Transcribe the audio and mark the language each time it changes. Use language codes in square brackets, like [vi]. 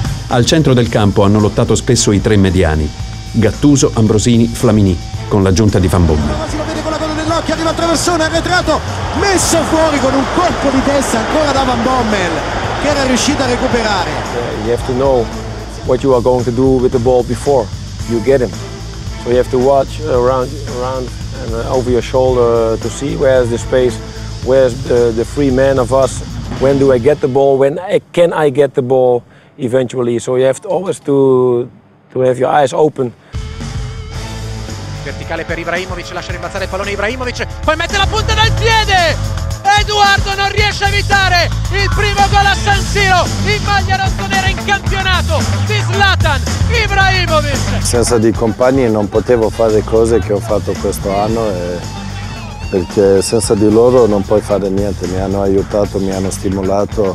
[it] Al centro del campo hanno lottato spesso i tre mediani, Gattuso, Ambrosini, Flamini, con l'aggiunta di Van Bommel. Che arriva attraversone, arretrato, messo fuori con un colpo di testa ancora da Van Bommel, che era riuscito a recuperare. [en] You have to know what you are going to do with the ball before you get him. So you have to watch around and over your shoulder to see where's the space, where's the free man of us, when do I get the ball, when can I get the ball eventually. So you have to always to have your eyes open. [it] Verticale per Ibrahimovic, lascia rimbalzare il pallone Ibrahimovic, poi mette la punta del piede! Edoardo non riesce a evitare il primo gol a San Siro in maglia rossonera in campionato di Zlatan Ibrahimovic! Senza dei compagni non potevo fare cose che ho fatto questo anno, perché senza di loro non puoi fare niente, mi hanno aiutato, mi hanno stimolato.